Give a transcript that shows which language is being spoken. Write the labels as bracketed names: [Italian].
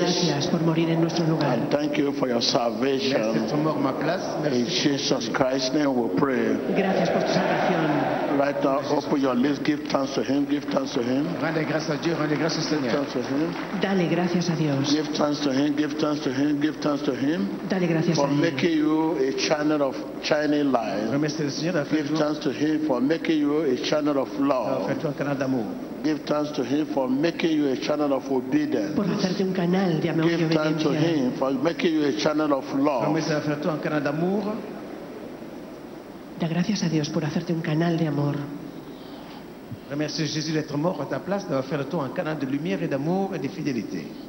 [Spanish] gracias por morir en nuestro lugar, [English] and thank you for your salvation. [French] Merci pour ma place. Merci. [English] In Jesus Christ's name we pray. [Spanish] Gracias por tu salvación. [English] Right now, open your lips, give thanks to Him, give thanks to Him. [Spanish] Rende gracias a Dios, rende gracias al Señor. Dale gracias a Dios. [English] Give thanks to Him, give thanks to Him, give thanks to Him. [Spanish] Dale gracias a Dios. [English] For making you a channel of shining light. [French] Remercie le Seigneur. [English] Give thanks to Him for making you a channel of love. [French] Fais-toi un canal d'amour. [English] Give thanks to Him for making you a channel of obedience. [Spanish] Por hacerte un canal de amor. [English] Give thanks to Him for making you a channel of love. [French] Remercie le Seigneur. Fais-toi un canal d'amour. [Spanish] Da gracias a Dios por hacerte un canal de amor. [French] Remercie Jésus d'être mort à ta place, d'avoir fait de toi un canal de lumière et d'amour et de fidélité.